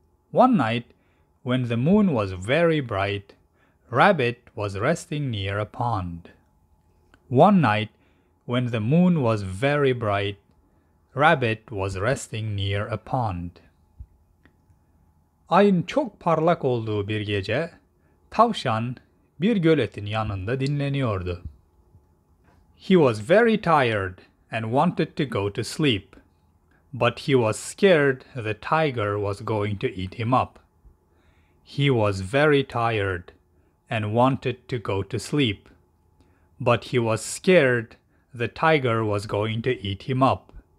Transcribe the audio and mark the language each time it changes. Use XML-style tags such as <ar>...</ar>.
<en>One night, when the moon was very bright, Rabbit was resting near a pond. One night, when the moon was very bright, Rabbit was resting near a pond.</en> <tr>Ayın çok parlak olduğu bir gece, tavşan bir göletin yanında dinleniyordu.</tr> <en>He was very tired and wanted to go to sleep, but he was scared the tiger was going to eat him up. He was very tired and wanted to go to sleep, but he was scared the tiger was going to eat him up.</en>